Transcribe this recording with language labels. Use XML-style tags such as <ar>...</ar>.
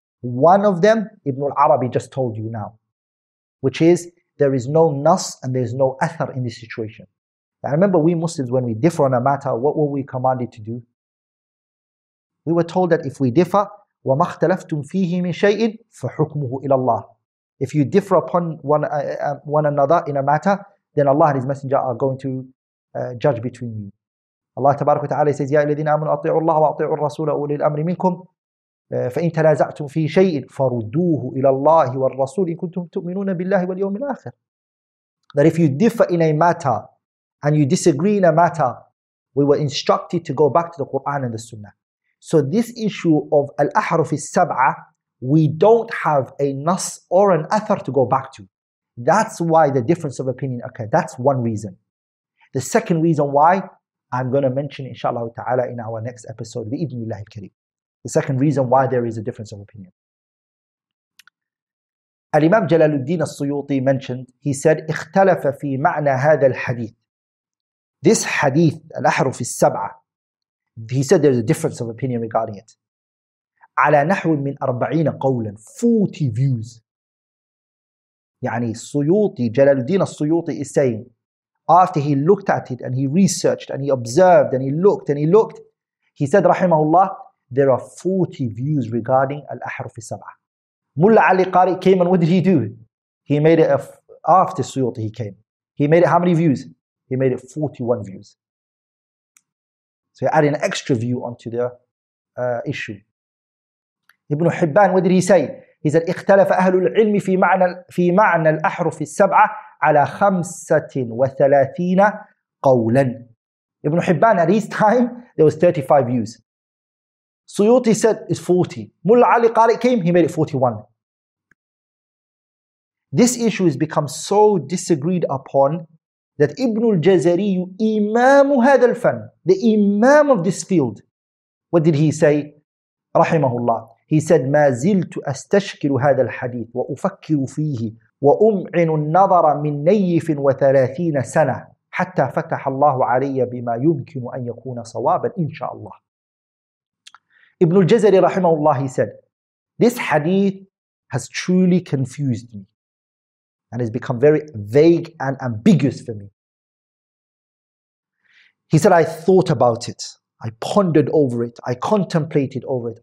<en>One of them, Ibn al-Arabi just told you now, which is there is no nas and there is no athar in this situation. I remember we Muslims, when we differ on a matter, what were we commanded to do? We were told that if we differ,</en> <ar>وَمَا اخْتَلَفْتُمْ فِيهِ مِنْ شَيْءٍ فَحُكْمُهُ إِلَى اللَّهِ.</ar> <en>If you differ upon one another in a matter, then Allah and His Messenger are going to judge between you.</en> <ar>Allah Tabarak wa Ta'ala says, يَا الَّذِينَ آمَنُوا أَطِيعُوا اللَّهَ وَأَطِيعُوا الرَّسُولَ أُولِي الْأَمْرِ مِنْكُمْ فَإِنْ تَنَازَعْتُمْ فِي شَيْءٍ فَرُدُّوهُ إِلَى اللَّهِ وَالرَّسُولِ إِن كُنْتُمْ تُؤْمِنُونَ بِاللَّهِ وَالْيَوْمِ الْآخِرِ.</ar> <en>That if you differ in a matter and you disagree in a matter, we were instructed to go back to the Quran and the Sunnah. So this issue of al-ahruf al-sab'a, we don't have a nas or an athar to go back to. That's why the difference of opinion occurred. That's one reason. The second reason why, I'm going to mention inshallah ta'ala in our next episode, bi-idhnillahi al-kareem. The second reason why there is a difference of opinion. Al-Imam Jalaluddin al-Suyuti mentioned, he said,</en> <ar>اختلف في معنى هذا الحديث.</ar> <en>This hadith, al-ahruf al-sab'a, he said there's a difference of opinion regarding it.</en> <ar>على نحو من 40 قولا,</ar> <en>40 views.</en> <ar>يعني السيوطي,</ar> <en>جلال الدين السيوطي is saying, after he looked at it and he researched and he observed and he looked and he looked, he said,</en> <ar>رحمه الله,</ar> <en>there are 40 views regarding al-ahruf al-sab'a. Mullah Ali Qari came and what did he do? He made it, after السيوطي he came. He made it how many views? He made it 41 views. So he added an extra view onto the issue. Ibn Hibban, what did he say? He said,</en> <ar>اختلف أهل العلم في معنى الأحرف السبعة على 35 قولا.</ar> <en>Ibn Hibban, at his time, there was 35 views. Suyuti said, it's 40. Mullah Ali Qari came, he made it 41. This issue has become so disagreed upon that Ibn al-Jazari, Imam</en> <ar>هذا الفن,</ar> <en>the Imam of this field, what did he say? Rahimahullah.</en> <ar>He said, ما زلت أستشكل هذا الحديث وأفكر فيه وأمعن النظر من نيف وثلاثين سنة حتى فتح الله علي بما يمكن أن يكون صوابا إن شاء الله.</ar> <en>Ibn al-Jazari, Rahimahullah, he said, this hadith has truly confused me and has become very vague and ambiguous for me. He said, I thought about it. I pondered over it. I contemplated over it.</en>